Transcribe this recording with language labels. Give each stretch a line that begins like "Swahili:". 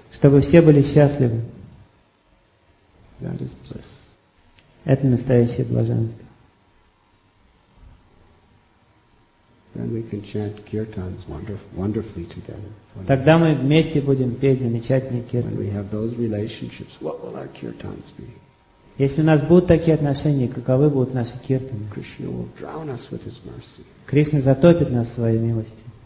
Russian: Чтобы все были счастливы.
English: That is bliss.
Russian: Это настоящее блаженство.
English: Then we can chant kirtans wonderfully together.
Russian: Тогда мы вместе будем петь замечательные киртаны.
English: When we have those relationships, what will our kirtans be?
Russian: Если у нас будут такие отношения, каковы будут наши киртаны?
English: Krishna will drown us with his mercy.
Russian: Кришна затопит нас своей милостью.